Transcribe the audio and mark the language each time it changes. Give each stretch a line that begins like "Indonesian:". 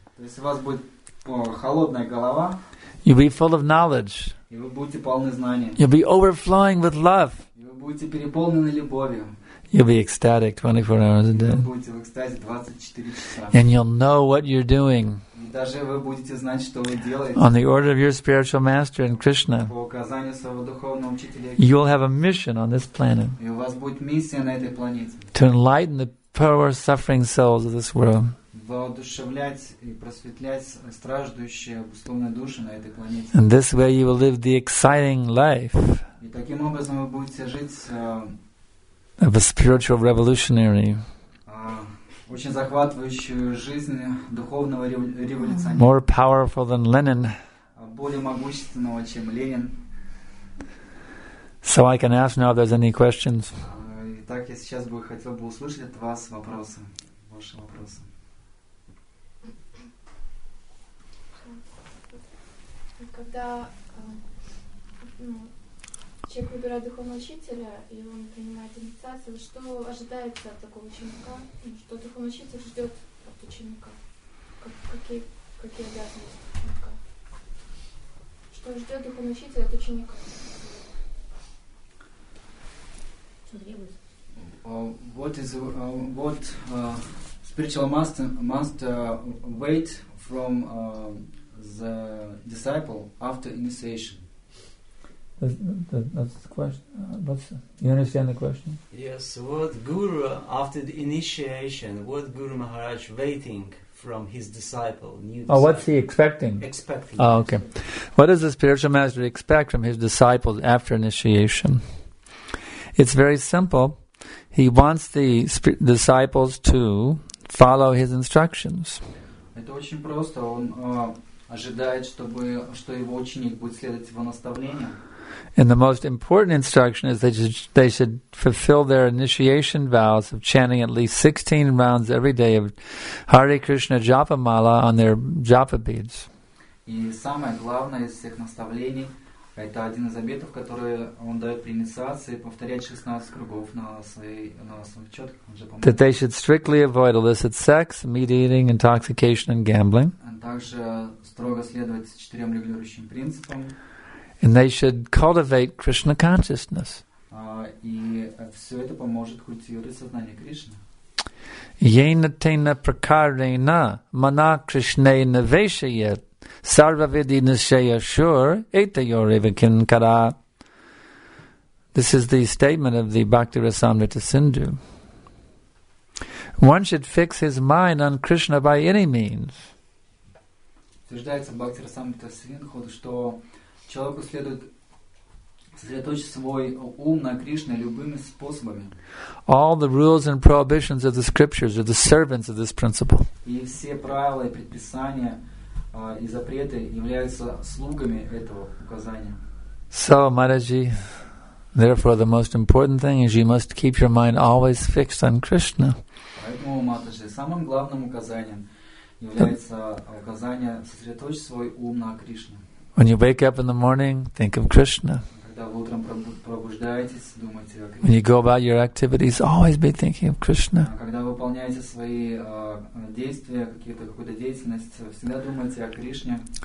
Russian: То есть у вас будет холодная голова.
English: You'll be full of knowledge.
Russian: И вы будете полны знания.
English: You'll be overflowing with love.
Russian: И вы будете переполнены любовью.
English: You'll be ecstatic 24 hours a day.
Russian: Вы будете в экстазе 24 часа.
English: And you'll know what you're doing.
Russian: И даже вы будете знать, что вы делаете.
English: On the order of your spiritual master and Krishna.
Russian: По указанию своего духовного учителя.
English: You will have a mission on this planet.
Russian: И у вас будет миссия на этой планете.
English: To enlighten the poor suffering souls of this world.
Russian: Воодушевлять и просветлять страждущие обусловленные души на этой планете.
English: And this way you will live the exciting life.
Russian: И таким образом вы будете жить
English: of a spiritual revolutionary.
Russian: Очень захватывающую жизнь духовного революционера.
English: More powerful than Lenin.
Russian: Более могущественного, чем Ленин.
English: So I can ask now if there's any questions.
Russian: Итак, я сейчас бы хотел бы услышать от вас вопросы, ваши вопросы. Когда человек выбирает духовного учителя, и он принимает инициацию, что ожидается от такого ученика? Что духовный учитель ждет от ученика? Какие обязанности ученика? Что ждет духовный учитель от ученика? Что требуется?
English: What spiritual master wait from the disciple after initiation? That's the question. You understand the question? Yes. What guru after the initiation? What Guru Maharaj waiting from his disciple? Oh, what's he expecting? Expecting. Oh, okay. What does the spiritual master expect from his disciples after initiation? It's very simple. He wants the disciples to follow his instructions.
Russian: Это очень просто. Он ожидает, что его ученик будет следовать его наставлениям.
English: And the most important instruction is they should fulfill their initiation vows of chanting at least 16 rounds every day of Hare Krishna Japa Mala on their Japa beads.
Russian: И самое главное из всех наставлений. Это один из обетов, который он дает при инициации, повторять 16 кругов на своих четках.
English: That they should strictly avoid illicit sex, meat eating, intoxication and gambling.
Russian: And также строго следовать четырем регулирующим принципам.
English: And they should cultivate Krishna consciousness.
Russian: И все это поможет культивировать сознание Кришны.
Sanskrit: Yena tena prakarena mana krishne naveshayat sarvavidhi nishaya shur etayor evakin kara.
English: This is the statement of the Bhakti Rasamrita Sindhu. One should fix his mind on Krishna by any means.
Russian: Утверждается Бхакти Расамрита Сингху, что человеку следует сосредоточить свой ум на Кришне любыми способами.
English: All the rules and prohibitions of the scriptures are the servants of this principle.
Russian: И все правила и предписания и запреты являются слугами этого указания.
English: So, Maharaji, therefore the most important thing is you must keep your mind always fixed on Krishna.
Russian: Поэтому, Маджи, самым главным указанием является указание сосредоточить свой ум на Кришне.
English: When you wake up in the morning, think of Krishna. When you go about your activities, always be thinking of Krishna.
Russian: Когда выполняете свои действия, какую-то деятельность, всегда думайте о Кришне.